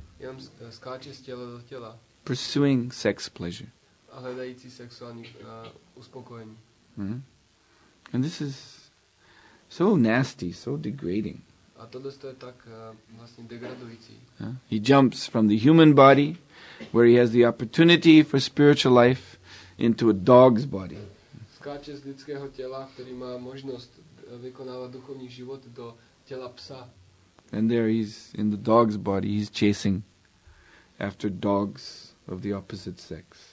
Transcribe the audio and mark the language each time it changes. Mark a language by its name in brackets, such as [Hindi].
[Czech] Jenom skáče z těla do těla. [English] Pursuing sex pleasure. [Czech] A hledající sexuální uspokojení. [English] And this is So nasty, so degrading. [Czech] A tohle je tak vlastně degradující. [English] He jumps from the human body, where he has the opportunity for spiritual life, into a dog's body. [Czech] Skáče z lidského těla, který má možnost vykonávat duchovní život, do těla psa. [English] And there he's in the dog's body, he's chasing after dogs of the opposite sex.